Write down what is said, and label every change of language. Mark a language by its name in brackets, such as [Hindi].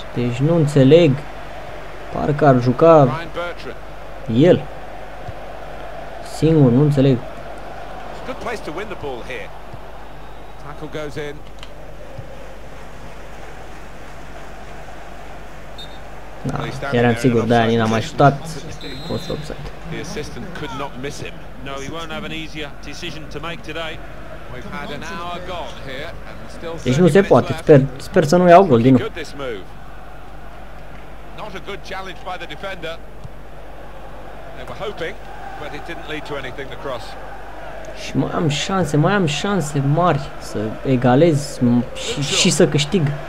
[Romanian] Deci nu înțeleg. Parcă ar juca el. Singur, nu înțeleg. [English] Good place to win the ball here. Tackle goes in. [Romanian] Da, eram sigur, de aia n-a mai șutat, fost offside. [English] The assistant could not miss him. No, he won't have an easier decision to make today. We've had an hour gone here and still. [Romanian] Deci nu se poate, sper să nu iau gol din nou. [English] Not a good challenge by the defender. They were hoping, but it didn't lead to anything across. [Romanian] Și mai am șanse mari să egalez și să câștig.